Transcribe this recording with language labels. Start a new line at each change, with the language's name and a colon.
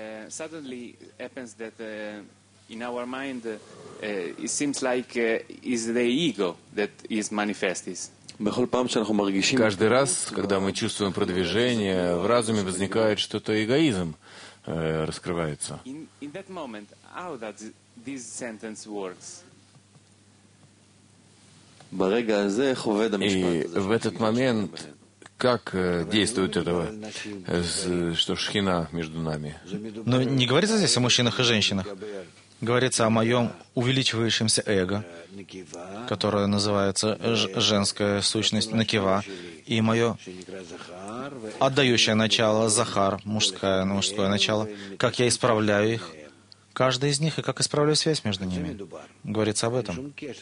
English: Suddenly happens that in our mind it seems like is the ego that is manifests.
Russian: Каждый раз, когда мы чувствуем продвижение, в разуме возникает что-то эгоизм раскрывается.
English: In that moment, how does this sentence works?
Russian: И в этот момент как действует это, что Шхина между нами? Но не говорится здесь о мужчинах и женщинах. Говорится о моем увеличивающемся эго, которое называется женская сущность Накива, и мое отдающее начало Захар, мужское начало, как я исправляю их, каждый из них, и как исправляю связь между ними. Говорится об этом.